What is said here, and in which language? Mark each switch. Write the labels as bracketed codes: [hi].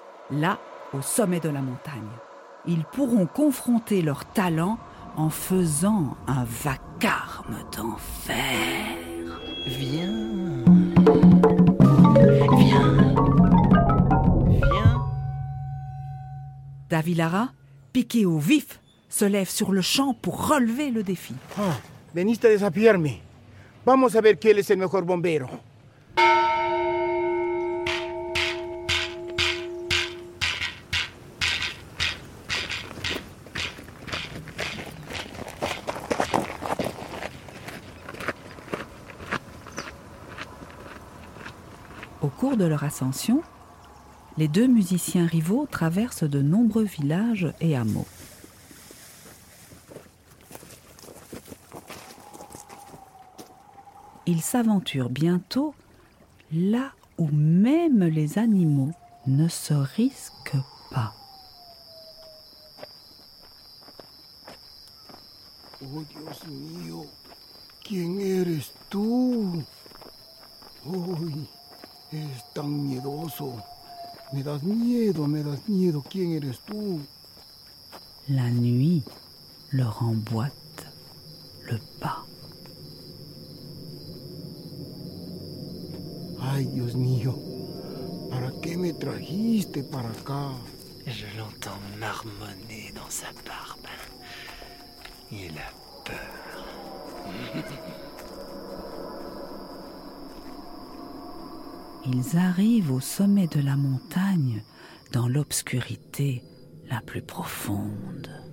[fr] Là, au sommet de la montagne, ils pourront confronter leurs talents en faisant un vacarme d'enfer. Viens. David Lara, piqué au vif, se lève sur le champ pour relever le défi. [es] Ah, veniste a desafiarme. Vamos a ver quién es el mejor bombero. [fr] Au cours de leur ascension, les deux musiciens rivaux traversent de nombreux villages et hameaux. Ils s'aventurent bientôt là où même les animaux ne se risquent pas. [es] Oh, Dios mío, ¿quién eres tú? Uy, es tan miedoso. Me das miedo. ¿Quién eres tú? La nuit leur emboîte le pas. Ay, Dios mío, ¿para qué me trajiste para acá? [fr] Je l'entends marmonner dans sa barbe. Il a peur. Ils arrivent au sommet de la montagne dans l'obscurité la plus profonde.